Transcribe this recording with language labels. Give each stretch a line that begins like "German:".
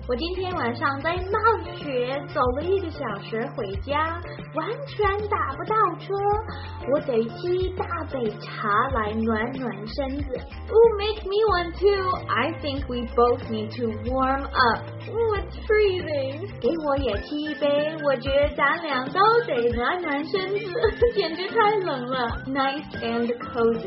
Chinese: 我今天晚上在冒雪走了一个小时回家，完全打不到车。我得沏一大杯茶来暖暖身子。
English: Ooh, make me one too. I think we both need to warm up. Ooh, it's freezing.
Chinese: 给我也沏一杯，我觉得咱俩都得暖暖身子，简直太冷了。